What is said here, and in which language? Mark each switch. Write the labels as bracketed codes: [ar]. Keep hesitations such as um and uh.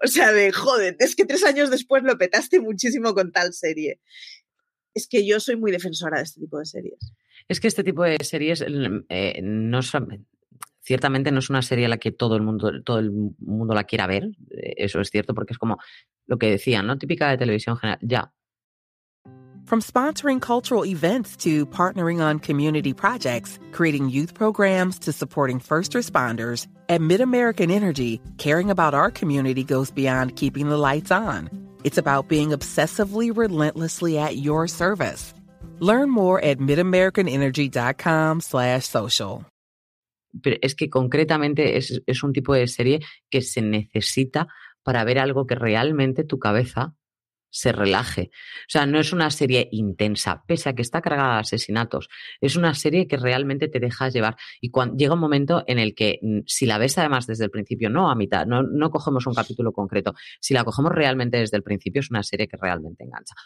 [es] O sea, de joder, es que tres años después lo petaste muchísimo con tal serie. Es que yo soy muy defensora de este tipo de series. Es que este tipo de series eh, no es, Ciertamente no es una serie a la que todo el mundo, todo el mundo la quiera ver. Eso es cierto, porque es como lo que decían, ¿no? Típica de televisión general. Ya, [en] From sponsoring cultural events to partnering on community projects, creating youth programs to supporting first responders, at MidAmerican Energy, caring about our community goes beyond keeping the lights on. It's about being obsessively relentlessly at your service. Learn more at midamericanenergy.com slash social. [es] Pero es que concretamente es, es un tipo de serie que se necesita para ver algo que realmente tu cabeza se relaje. O sea, no es una serie intensa, pese a que está cargada de asesinatos. Es una serie que realmente te deja llevar. Y cuando, llega un momento en el que, si la ves además desde el principio, no a mitad, no, no cogemos un capítulo concreto, si la cogemos realmente desde el principio, es una serie que realmente engancha.